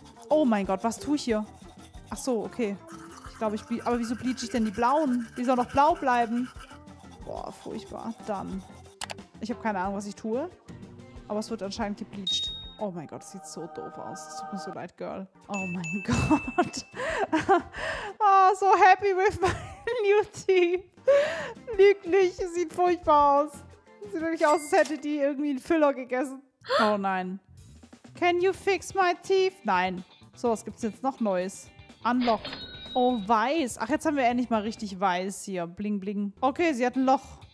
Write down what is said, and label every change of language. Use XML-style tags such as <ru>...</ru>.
<de>Oh mein Gott, was tue ich hier? Ach so, okay. Ich glaube, ich aber wieso bleache ich denn die blauen? Die sollen doch blau bleiben. Boah, furchtbar. Dann. Ich habe keine Ahnung, was ich tue. Aber es wird anscheinend gebleached. Oh mein Gott, das sieht so doof aus. Das tut mir so leid, Girl. Oh mein Gott.</de> <en>Oh, so happy with my new team.</en> <de>Lieblich. Sieht furchtbar aus. Sieht wirklich aus, als hätte die irgendwie einen Füller gegessen. Oh nein.</de> <en>Can you fix my teeth?</en> <de>Nein. So, was gibt's jetzt noch Neues? Unlock. Oh, weiß. Ach, jetzt haben wir endlich mal richtig weiß hier. Bling, bling. Okay, sie hat ein Loch.</de>